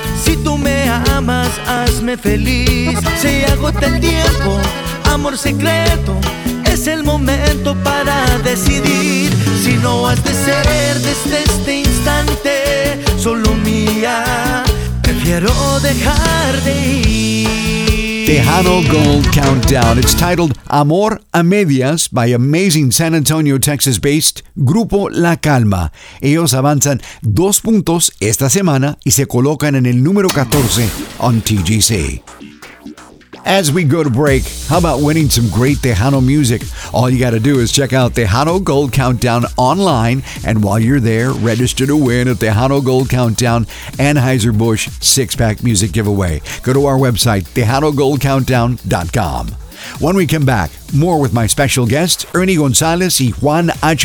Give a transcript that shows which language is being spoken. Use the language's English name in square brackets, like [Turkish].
[Spanish] Si tú me amas, hazme feliz. Se agota el tiempo, amor secreto. Es el momento para decidir. Si no has de ser desde este instante solo mía, prefiero dejar de ir. [English] Tejano Gold Countdown. It's titled Amor a Medias by amazing San Antonio, Texas-based Grupo La Calma. [Spanish] Ellos avanzan 2 puntos esta semana y se colocan en el número 14 [English] on TGC. As we go to break, how about winning some great Tejano music? All you gotta do is check out Tejano Gold Countdown online, and while you're there, register to win a Tejano Gold Countdown Anheuser-Busch six-pack music giveaway. Go to our website, TejanoGoldCountdown.com. When we come back, more with my special guests, Ernie Gonzalez y Juan H.